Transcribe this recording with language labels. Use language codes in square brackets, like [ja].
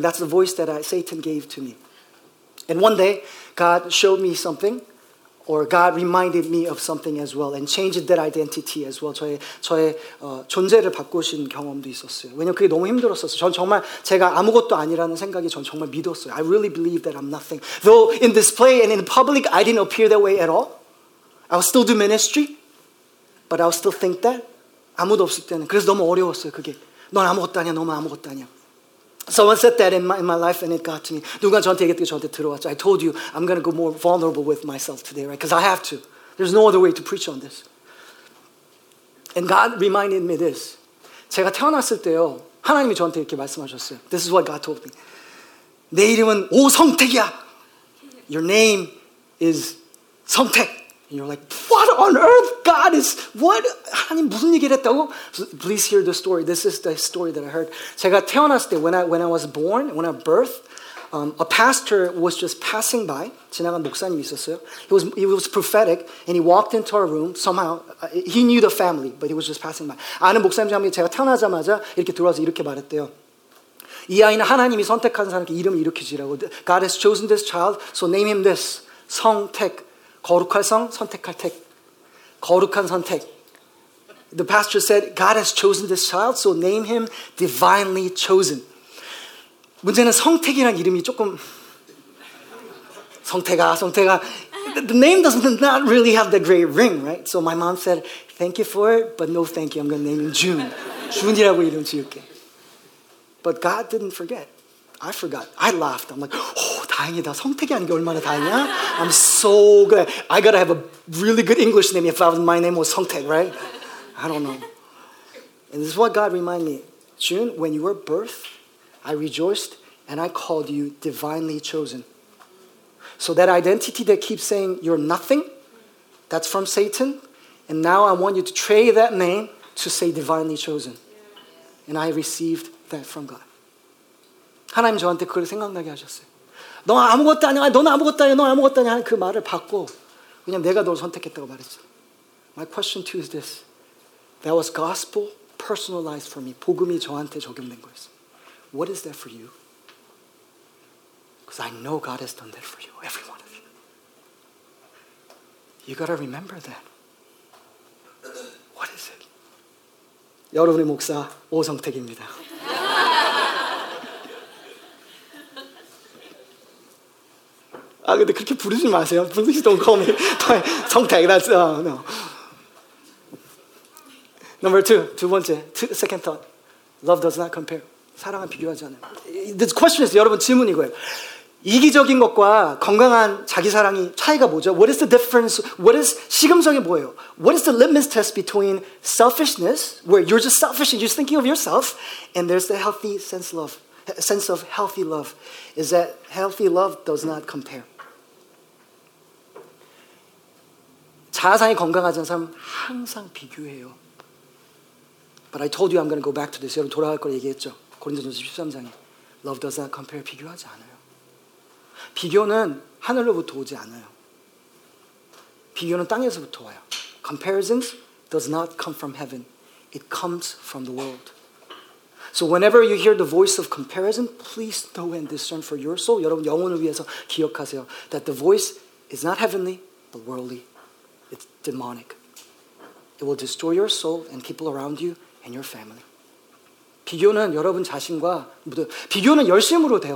[en] That's the voice that Satan gave to me. And one day, God showed me something, or God reminded me of something as well, and changed that identity as well. [ko] 저의 존재를 바꾸신 경험도 있었어요. 왜냐면 그게 너무 힘들었어요. 전 정말 제가 아무것도 아니라는 생각이 전 정말 믿었어요. [en] I really believe that I'm nothing. Though in display and in public, I didn't appear that way at all. I would still do ministry, but I would still think that. [ko] 아무도 없을 때는. 그래서 너무 어려웠어요, 그게. 넌 아무것도 아니야, 너만 아무것도 아니야. [en] Someone said that in my life and it got to me. [ko] 누가 저한테 얘기했고 저한테 들어왔죠. [en] I told you I'm going to go more vulnerable with myself today, right? Because I have to. There's no other way to preach on this. And God reminded me this. [ko] 제가 태어났을 때요, 하나님이 저한테 이렇게 말씀하셨어요. [en] This is what God told me. [ko] 내 이름은 오성택이야. [en] Your name is 성택. And you're like, what on earth? God is, what? [ko] 하나님 무슨 얘기를 했다고? [en] Please hear the story. This is the story that I heard. [ko] 제가 태어났을 때, [en] when I was born, when I birthed, a pastor was just passing by. [ko] 지나간 목사님이 있었어요. [en] He was prophetic, and he walked into our room. Somehow, he knew the family, but he was just passing by. [ko] 아는 목사님이 제가 태어나자마자 이렇게 들어와서 이렇게 말했대요. 이 아이는 하나님이 선택한 사람께 이름을 이렇게 지라고. [en] God has chosen this child, so name him this. [ko] 성택. 거룩할 성, 선택할 택. 거룩한 선택. [en] The pastor said, God has chosen this child, so name him divinely chosen. [ko] 문제는 성택이란 이름이 조금... 성택아. [en] The name does not really have the great ring, right? So my mom said, thank you for it, but no thank you. I'm going to name him June. [ko] 준이라고 이름 지을게. [en] But God didn't forget. I forgot. I laughed. I'm like, oh, [ko] 다행이다. 성택이 아닌 게 얼마나 다행이야? [en] I'm so glad. I gotta have a really good English name if my name was 성택, right? I don't know. And this is what God reminded me. June, when you were birthed, I rejoiced and I called you divinely chosen. So that identity that keeps saying you're nothing, that's from Satan. And now I want you to trade that name to say divinely chosen. And I received that from God. [ko] 하나님 저한테 그걸 생각나게 하셨어요. 너 아무것도 아니야. 너는 아무것도 아니야. 너 아무것도 아니야. 그 말을 받고 그냥 내가 너를 선택했다고 말했어. [en] My question to you is this. That was gospel personalized for me. [ko] 복음이 저한테 적용된 거였어. [en] What is that for you? Because I know God has done that for you. Every one of you. You gotta remember that. What is it? [ko] 여러분의 목사 오성택입니다. [en] Please don't call me 성택. That's no. Number two, [ko] 두 번째, [en] second thought. Love does not compare. [ko] 사랑은 비교하지 않아요. [en] The question is, [ko] 여러분 질문 이거예요. 이기적인 것과 건강한 자기 사랑이 차이가 뭐죠? [en] What is the difference? What is [ko] 시금석이 뭐예요? [en] What is the litmus test between selfishness, where you're just selfish and you're thinking of yourself, and there's the healthy sense love? Sense of healthy love is that healthy love does not compare. [ko] 자아상이 건강하지 않은 사람 항상 비교해요. [en] But I told you I'm going to go back to this. [ko] 여러분 돌아갈 걸 얘기했죠. 고린도전서 13장에. [en] Love does not compare. [ko] 비교하지 않아요. 비교는 하늘로부터 오지 않아요. 비교는 땅에서부터 와요. [en] Comparison does not come from heaven. It comes from the world. So whenever you hear the voice of comparison, please know and discern for your soul. [ko] 여러분 영혼을 위해서 기억하세요. [en] That the voice is not heavenly, but worldly. It's demonic. It will destroy your soul and people around you and your family. [ko] 비교는 여러분 자신과 비교는 열심으로 돼요.